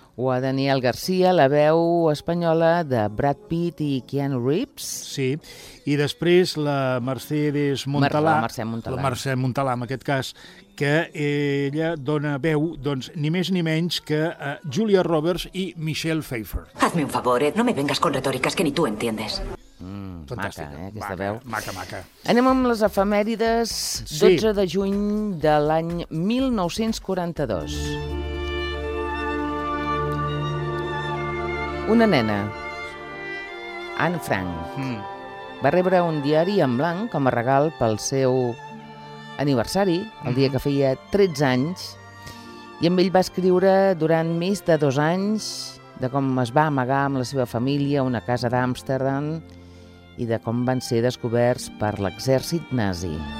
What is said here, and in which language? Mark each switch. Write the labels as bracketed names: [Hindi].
[Catalan] O a Daniel García, la veu espanyola de Brad Pitt i Keanu Reeves. Sí, i després la Mercedes Montalà. La Mercè Montalà, en aquest cas, que ella dona veu, doncs, ni més ni menys que a Julia Roberts i Michelle Pfeiffer. [Spanish] Hazme un favor, no me vengas con retóricas que ni tú entiendes. [Catalan] Maca, aquesta maca, veu. Maca. Anem amb les efemèrides. Sí. 12 de juny de l'any 1942. Una nena, Anne Frank, va rebre un diari en blanc com a regal pel seu aniversari, el dia que feia 13 anys, i amb ell va escriure durant més de 2 anys de com es va amagar amb la seva família a una casa d'Amsterdam i de com van ser descoberts per l'exèrcit nazi.